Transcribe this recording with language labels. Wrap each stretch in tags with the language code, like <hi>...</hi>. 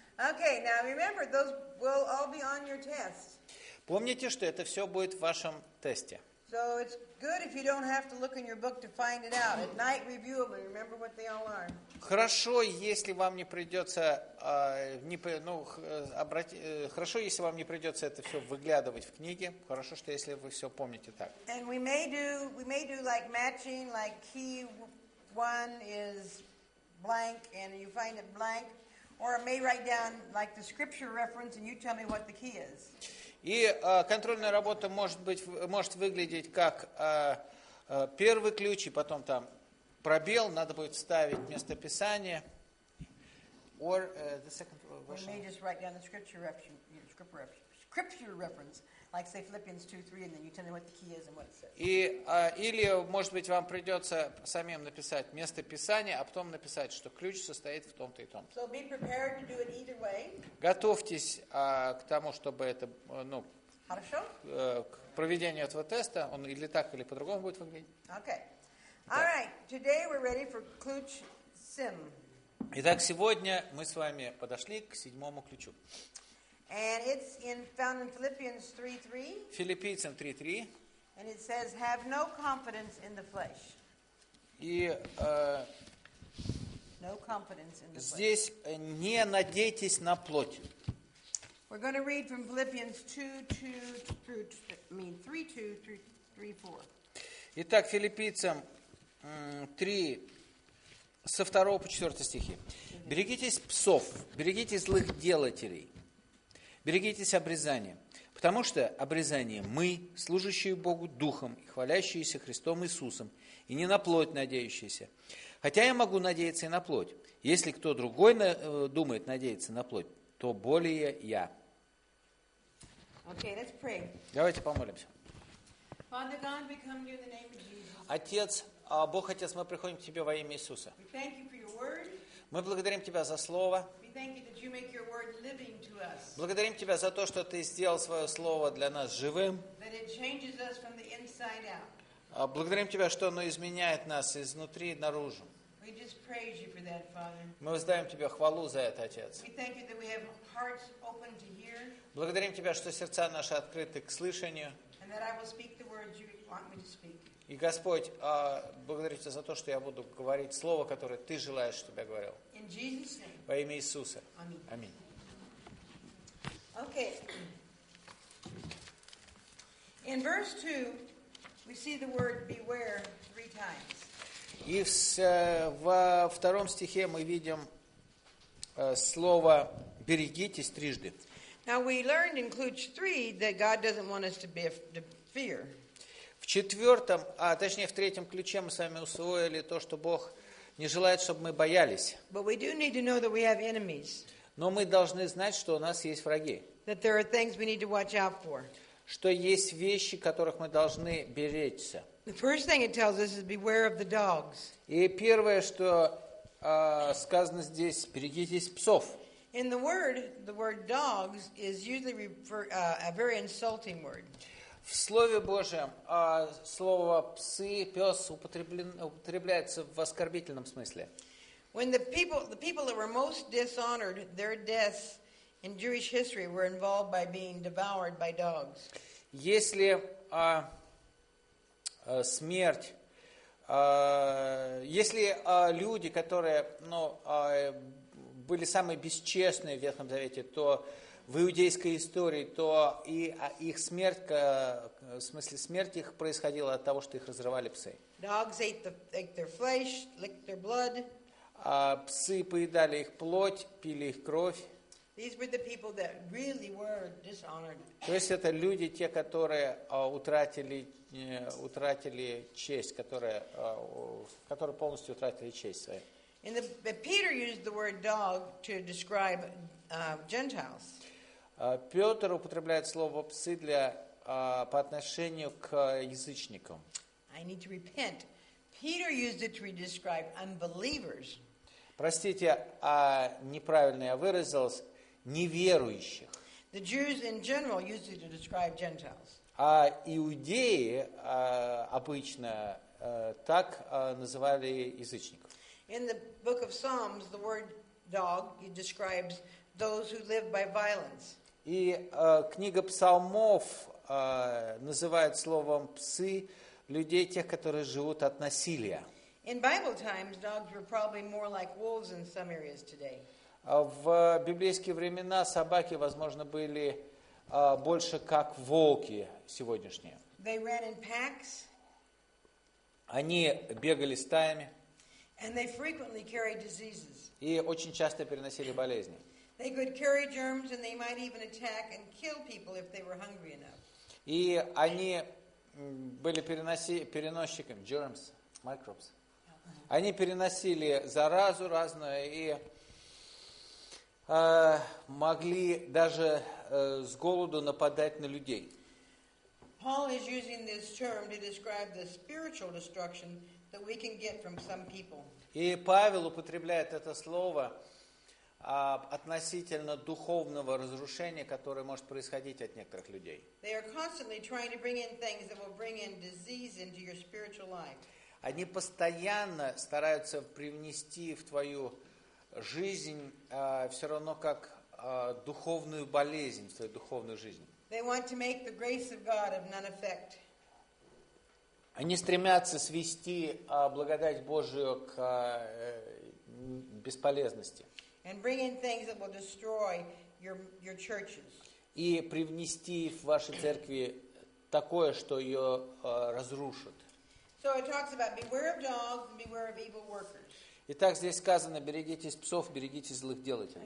<en>Okay, now remember, those will all be on your test.</en> <ru>Помните, что это все будет в вашем тесте.</ru> <en>So it's good if you don't have to look in your book to find it out. At night, review them and remember what they all are.</en> <ru>Хорошо, если вам не придется хорошо, если вам не придется это все выглядывать в книге. Хорошо, что если вы все помните так.</ru> <en>And we may do like matching, like key one is blank and you find it blank, or I may write down like the scripture reference and you tell me what the key is.</en> <ru>И контрольная работа может выглядеть как первый ключ, и потом там пробел, надо будет вставить место Писания.</ru> <en>Or the second version. We may just write down the scripture reference, like say Philippians 2:3, and then you tell me what the key is and what it says.</en> <ru>И или, может быть, вам придется самим написать место Писания, а потом написать, что ключ состоит в том-то и том-то.</ru> <en>So be prepared to do it either way.</en> <ru>Готовьтесь к тому, чтобы это, ну, хорошо. К проведению этого теста, он или так, или по-другому будет выглядеть.</ru> <en>Okay. All right. Today we're ready for</en> <ru>ключ сим. Итак, сегодня мы с вами подошли к седьмому ключу.</ru> <en>And it's found in Philippians 3:3.</en> <ru>Филиппийцам 3:3.</ru> <en>And it says, "Have no confidence in the flesh."</en> <ru>И</ru> <en>no confidence in the flesh.</en> <ru>Здесь не надейтесь на плоть.</ru> <en>We're going to read from Philippians 3:2-3:4.</en> <ru>Итак, Филиппийцам 3. Со 2 по 4 стихи. «Берегитесь псов, берегитесь злых делателей, берегитесь обрезания, потому что обрезание мы, служащие Богу Духом и хвалящиеся Христом Иисусом, и не на плоть надеющиеся. Хотя я могу надеяться и на плоть. Если кто другой думает надеяться на плоть, то более я».</ru> <en>Okay, let's pray.</en> <ru>Давайте помолимся.</ru> <en>Father God, we come to you in the name of Jesus.</en> <ru>Отец, Бог, Отец, мы приходим к Тебе во имя Иисуса.</ru> <en>We thank you for your word.</en> <ru>Мы благодарим Тебя за Слово.</ru> <en>We thank you that you make your word living to us.</en> <ru>Благодарим Тебя за то, что Ты сделал Свое Слово для нас живым.</ru> <en>That it changes us from the inside out.</en> <ru>Благодарим Тебя, что оно изменяет нас изнутри и наружу.</ru> <en>We just praise you for that, Father.</en> <ru>Мы воздаем Тебе хвалу за это, Отец.</ru> <en>We thank you that we have hearts open to hear.</en> <ru>Благодарим Тебя, что сердца наши открыты к слышанию.</ru> <en>And that I will speak the words you want me to speak.</en> <ru>И Господь, благодарю Тебя за то, что я буду говорить слово, которое Ты желаешь, чтобы я говорил.</ru> <en>In Jesus name.</en> <ru>Во имя Иисуса. Аминь. Аминь.</ru> <en>Okay. In verse 2, we see the word beware three times.</en> <ru>И во втором стихе мы видим слово «берегитесь» трижды.</ru> <en>Now we learned in</en> <ru>Ключ</ru> <en>3 that God doesn't want us to fear.</en> <ru>В четвертом, а точнее в третьем ключе мы с вами усвоили то, что Бог не желает, чтобы мы боялись.</ru> <en>But we do need to know that we have enemies.</en> <ru>Но мы должны знать, что у нас есть враги.</ru> <en>That there are things we need to watch out for.</en> <ru>Что есть вещи, которых мы должны беречься.</ru> <en>The first thing it tells us is beware of the dogs.</en> <ru>И первое, что сказано здесь, берегитесь псов.</ru> <en>In the word dogs is usually refer, a very insulting word.</en> <ru>В Слове Божьем слово псы, пес употребляется в оскорбительном смысле.</ru> <en>When the people that were most dishonored, their deaths in Jewish history were involved by being devoured by dogs.</en> <ru>Если смерть, если люди, которые, ну, были самые бесчестные в Ветхом Завете, то в иудейской истории, то и их смерть, в смысле смерть их происходила от того, что их разрывали псы.</ru> <en>Dogs ate the, their flesh, licked their blood.</en> <ru>Псы поедали их плоть, пили их кровь.</ru> <en>These were the people that really were dishonored.</en> <ru>То есть это люди, те, которые утратили, утратили честь, которые, которые полностью утратили честь свою.</ru> <en>And Peter used the word dog to describe Gentiles.</en> <ru>Петр употребляет слово псы для по отношению к язычникам.</ru> <en>I need to repent. Peter used it to describe unbelievers.</en> <ru>Простите, а неправильно я выразился, неверующих.</ru> <en>The Jews in general used it to describe Gentiles.</en> <ru>А иудеи обычно так называли язычников.</ru> <en>In the book of Psalms, the word dog describes those who live by violence.</en> <ru>И книга Псалмов называет словом псы людей тех, которые живут от насилия.</ru> <en>In Bible times, dogs were probably more like wolves in some areas today.</en> <ru>В библейские времена собаки, возможно, были больше как волки сегодняшние.</ru> <en>They ran in packs.</en> <ru>Они бегали стаями.</ru> <en>And they frequently carried diseases.</en> <ru>И очень часто переносили болезни.</ru> <en>They could carry germs, and they might even attack and kill people if they were hungry enough.</en> <ru>И они были переносчиками</ru> <en>germs, microbes.</en> <ru>Они переносили заразу разную и могли даже с голоду нападать на людей.</ru> <en>Paul is using this term to describe the spiritual destruction that we can get from some people.</en> <ru>И Павел употребляет это слово относительно духовного разрушения, которое может происходить от некоторых людей.</ru> <en>They are constantly trying to bring in things that will bring in disease into your spiritual life.</en> <ru>Они постоянно стараются привнести в твою жизнь все равно как духовную болезнь, в твою духовную жизнь.</ru> <en>They want to make the grace of God of none effect.</en> <ru>Они стремятся свести благодать Божию к бесполезности.</ru> <en>And bring in things that will destroy your churches.</en> <ru>И привнести в ваши церкви такое, что ее разрушит.</ru> <en>So it talks about beware of dogs and beware of evil workers.</en> <ru>Итак, здесь сказано, берегитесь псов, берегитесь злых делателей.</ru>